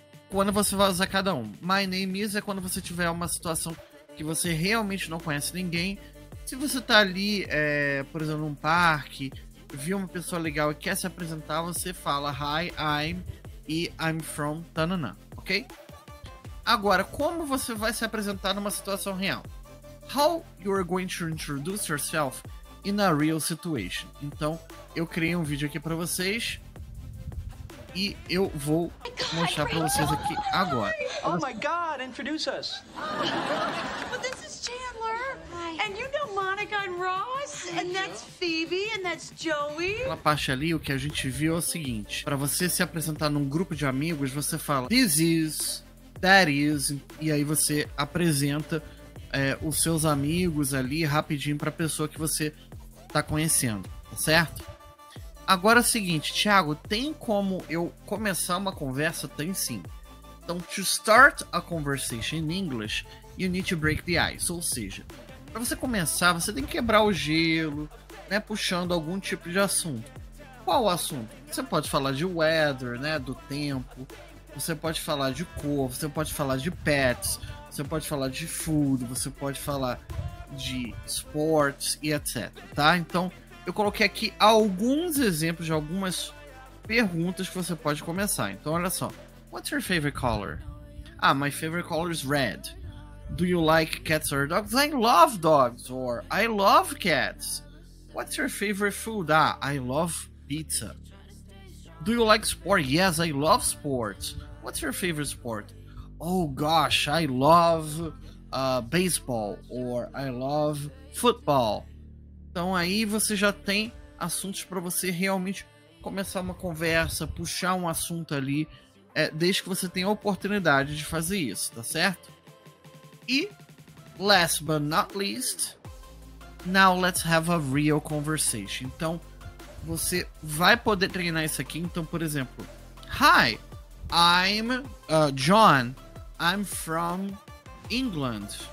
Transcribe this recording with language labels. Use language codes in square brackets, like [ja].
[pt] Quando você vai usar cada um. [en] My name is [pt] é quando você tiver uma situação que você realmente não conhece ninguém. Se você tá ali, por exemplo, num parque, viu uma pessoa legal e quer se apresentar, você fala [en] hi, I'm, [pt] e [en] I'm from tanana, [pt] ok? Agora, como você vai se apresentar numa situação real? [en] How you are going to introduce yourself in a real situation? [pt] Então, eu criei um vídeo aqui pra vocês e eu vou mostrar pra vocês aqui agora. [en] Oh my god, introduce us. But this is Chandler. Hi. And you know Monica and Ross. And that's Phoebe and that's Joey. [pt] Aquela parte ali, o que a gente viu é o seguinte: pra você se apresentar num grupo de amigos, você fala, [en] this is, that is, [pt] e aí você apresenta os seus amigos ali rapidinho pra pessoa que você tá conhecendo, tá certo? Agora é o seguinte, Thiago, tem como eu começar uma conversa? Tem sim. Então, [en] to start a conversation in English, you need to break the ice. [pt] Ou seja, para você começar, você tem que quebrar o gelo, né, puxando algum tipo de assunto. Qual o assunto? Você pode falar de weather, né, do tempo. Você pode falar de cor, você pode falar de pets, você pode falar de food, você pode falar de sports e etc, tá? Então, eu coloquei aqui alguns exemplos de algumas perguntas que você pode começar. Então, olha só. [en] What's your favorite color? Ah, my favorite color is red. Do you like cats or dogs? I love dogs. Or I love cats. What's your favorite food? Ah, I love pizza. Do you like sport? Yes, I love sports. What's your favorite sport? Oh, gosh, I love baseball. Or I love football. [pt] Então, aí você já tem assuntos para você realmente começar uma conversa, puxar um assunto ali, desde que você tenha a oportunidade de fazer isso, tá certo? E, [en] last but not least, now let's have a real conversation. [pt] Então, você vai poder treinar isso aqui. Então, por exemplo, [en] hi, I'm John, I'm from England.